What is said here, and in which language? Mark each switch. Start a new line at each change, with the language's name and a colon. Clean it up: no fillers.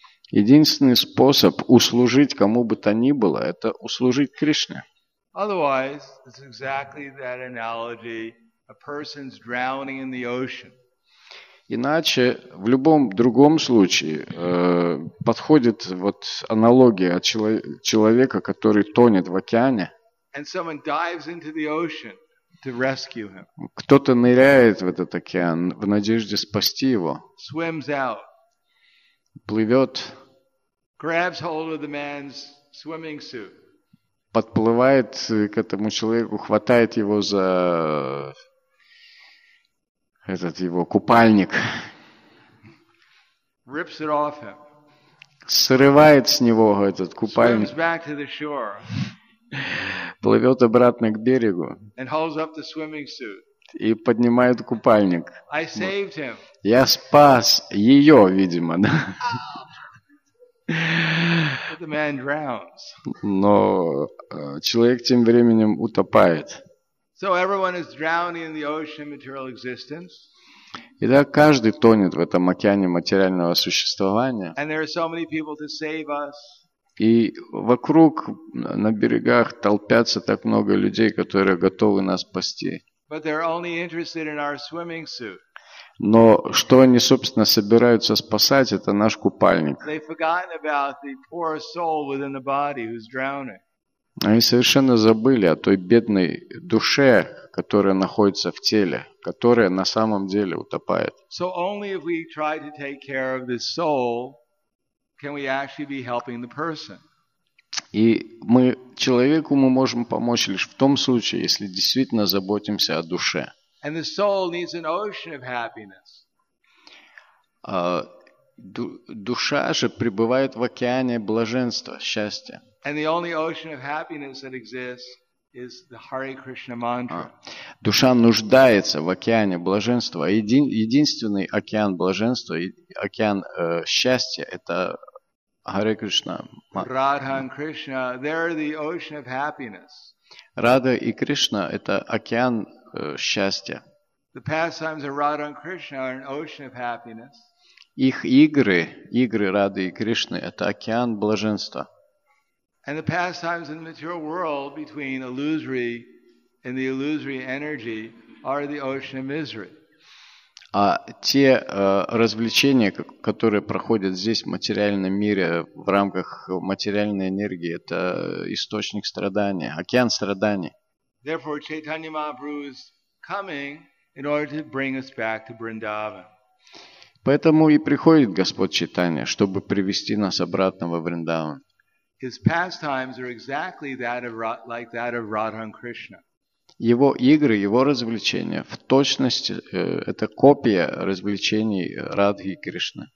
Russian: Единственный способ услужить кому бы то ни было, это услужить Кришне.
English: Otherwise, it's exactly that analogy, a person's drowning in the ocean.
Russian: Иначе в любом другом случае подходит вот аналогия от человека, который тонет в океане.
English: And someone dives into the ocean to rescue him.
Russian: Кто-то ныряет в этот океан в надежде спасти его.
English: Swims out.
Russian: Плывет.
English: Grabs hold of the man's swimming suit.
Russian: Подплывает к этому человеку, хватает его за этот его купальник.
English: Rips it off him.
Russian: Срывает с него этот купальник.
English: Swims back to the shore.
Russian: Плывет обратно к берегу.
English: And holds up the swimming suit.
Russian: И поднимает купальник.
English: I saved him.
Russian: Я спас ее, видимо. Да?
English: The man drowns.
Russian: Но человек тем временем утопает.
English: So everyone is drowning in the ocean of material existence.
Russian: Итак, каждый тонет в этом океане материального существования.
English: And there are so many people to save us.
Russian: И вокруг на берегах толпятся так много людей, которые готовы нас спасти.
English: But they're only interested in our swimming suit.
Russian: Но что они, собственно, собираются спасать, это наш купальник.
English: They've forgotten about the poor soul within the body who's drowning.
Russian: Они совершенно забыли о той бедной душе, которая находится в теле, которая на самом деле утопает.
English: So only if we try to take care of this soul can we actually be helping the person.
Russian: И мы человеку мы можем помочь лишь в том случае, если действительно заботимся о душе.
English: And the soul needs an ocean of happiness.
Russian: Душа же пребывает в океане блаженства, счастья.
English: And the only ocean of happiness that exists is the Hare Krishna mantra.
Russian: Душа нуждается в океане блаженства. Единственный океан блаженства, океан счастья – это Hare Krishna.
English: Radha and Krishna, they're the ocean of happiness.
Russian: Radha и Кришна – это океан счастья.
English: The pastimes of Radha and Krishna are an ocean of happiness.
Russian: Их игры, игры Рады и Кришны – это океан блаженства.
English: And the pastimes in the material world between illusory and the illusory energy are the ocean of misery.
Russian: А те развлечения, которые проходят здесь в материальном мире в рамках материальной энергии, это источник страдания, океан страданий.
English: Therefore, Chaitanya Mahaprabhu is coming in order to bring us back to Vrindavan.
Russian: Поэтому и приходит Господь Чайтанья, чтобы привести нас обратно во Вриндаван.
English: His pastimes are exactly that of like that of Radha and Krishna.
Russian: Его игры, его развлечения в точности это копия развлечений Радхи и Кришны.